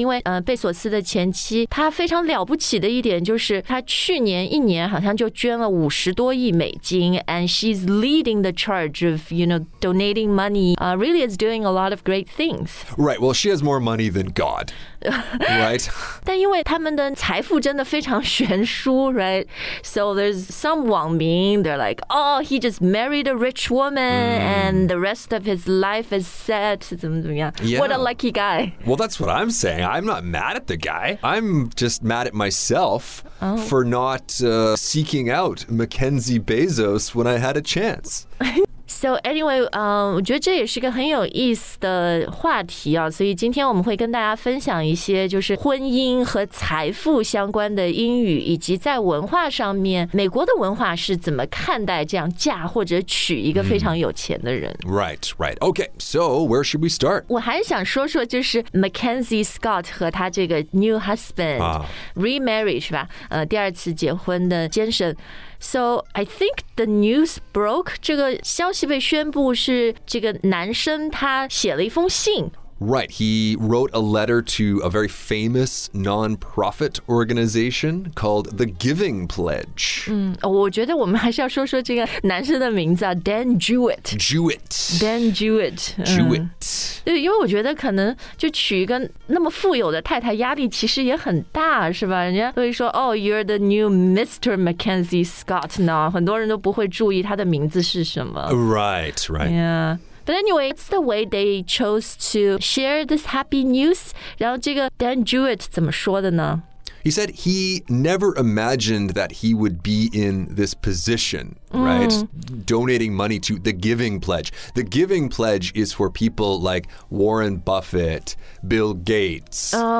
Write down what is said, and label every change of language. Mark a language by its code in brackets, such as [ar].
[zh] 因为贝索斯的前妻，她非常了不起的一点。就是他去年一年好像就捐了$ [en] 50 million, and she's leading the charge of, you know, donating money. Really is doing a lot of great things. Right, well, she has more money than God. Right? [zh] 但因为他们的财富真的非常悬殊, [en] right? So there's some [zh] 网民, [en] they're like, oh, he just married a rich woman, and the rest of his life is set, [zh] 怎么怎么样。 [en] Yeah. What a lucky guy. Well, that's what I'm saying. I'm not mad at the guy. I'm just mad at myself. For not seeking out Mackenzie Bezos when I had a chance. So anyway, [zh] 我觉得这也是个很有意思的话题啊。所以今天我们会跟大家分享一些就是婚姻和财富相关的英语，以及在文化上面，美国的文化是怎么看待这样嫁或者娶一个非常有钱的人。 [en] Right. Okay. So where should we start? [zh] 我还想说说就是 Mackenzie Scott 和他这个 [en] new husband remarried [zh] 是吧？第二次结婚的先生。 [en] So I think the news broke. [zh] 这个消息被宣布是这个男生他写了一封信。 [en] Right, he wrote a letter to a very famous non-profit organization called The Giving Pledge. [zh] 我觉得我们还是要说说这个男生的名字啊 ,Dan Jewett. [en] Jewett. [zh] 对，因为我觉得可能就娶一个那么富有的太太压力其实也很大，是吧？人家会说 [en] Oh, you're the new Mr. Mackenzie Scott now. [zh] 很多人都不会注意他的名字是什么。 [en] Right. Yeah. But anyway, it's the way they chose to share this happy news. [zh] 然后这个 Dan Jewett 怎么说的呢? [en] He said he never imagined that he would be in this position, right? Donating money to the Giving Pledge. The Giving Pledge is for people like Warren Buffett, Bill Gates.